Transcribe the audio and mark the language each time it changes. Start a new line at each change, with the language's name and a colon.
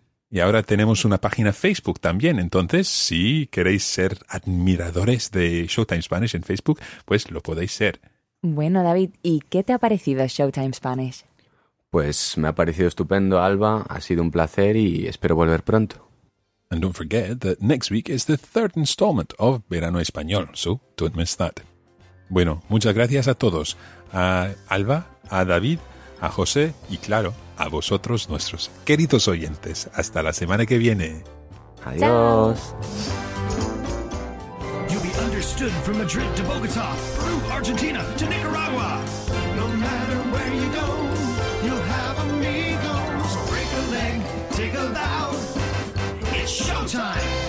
Spanish: Y ahora tenemos una página Facebook también, entonces si queréis ser admiradores de Showtime Spanish en Facebook, pues lo podéis ser. Bueno, David, ¿y qué te ha parecido Showtime Spanish? Pues me ha parecido estupendo, Alba, ha sido un placer y espero volver pronto.
English: And don't forget that next week is the third installment of Verano Español, so don't miss that.
Spanish: Bueno, muchas gracias a todos, a Alba, a David, a José y claro, a vosotros nuestros queridos oyentes. Hasta la semana que viene. Adiós.
English: You'll be understood from Madrid to Bogotá, Peru, Argentina to Nicaragua. No matter where you go, you'll have amigos. Break a leg, take a bow. Showtime!